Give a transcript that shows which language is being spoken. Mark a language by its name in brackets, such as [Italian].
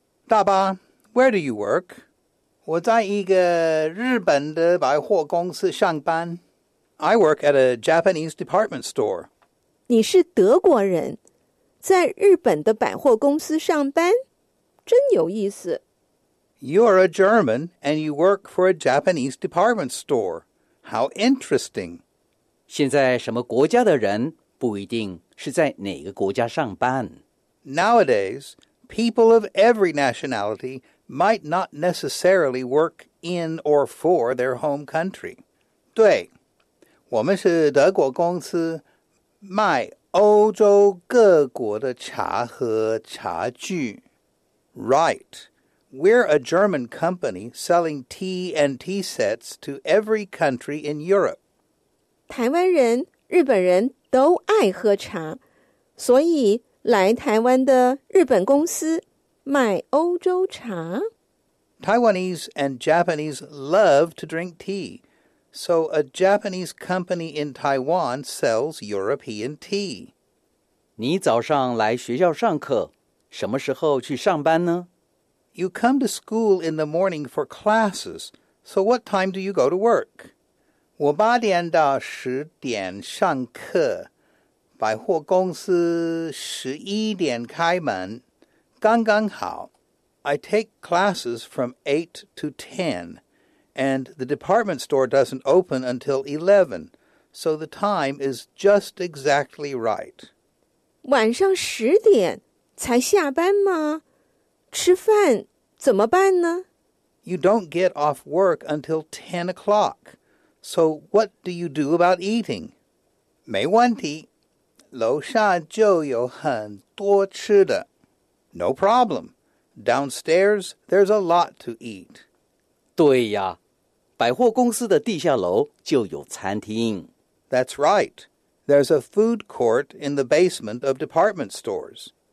[English] 大巴, where do you work? [Chinese] 我在一个日本的百货公司上班。 [English] I work at a Japanese department store. [Chinese] 你是德国人,在日本的百货公司上班? 真有意思。 [English] You are a German and you work for a Japanese department store. How interesting. [Chinese] 现在什么国家的人? 不一定是在哪个国家上班。 [English] Nowadays, people of every nationality might not necessarily work in or for their home country. [Chinese] 对,我们是德国公司卖欧洲各国的茶和茶具。 [English] Right. We're a German company selling tea and tea sets to every country in Europe. [Chinese] 台湾人,日本人都爱喝茶，所以来台湾的日本公司卖欧洲茶。 [English] Taiwanese and Japanese love to drink tea, so a Japanese company in Taiwan sells European tea. [Chinese] 你早上来学校上课，什么时候去上班呢？ [English] You come to school in the morning for classes, so what time do you go to work? [Chinese] 我八点到十点上课，百货公司十一点开门，刚刚好。 [English] I take classes from 8 to 10, and the department store doesn't open until 11, so the time is just exactly right. [Chinese] 晚上十点才下班吗？吃饭怎么办呢？ [English] You don't get off work until 10 o'clock. So what do you do about eating? [Chinese] 没问题。楼下就有很多吃的。 [English] No problem. Downstairs, there's a lot to eat. [Chinese] 对呀。百货公司的地下楼就有餐厅。 [English] That's right. There's a food court in the basement of department stores.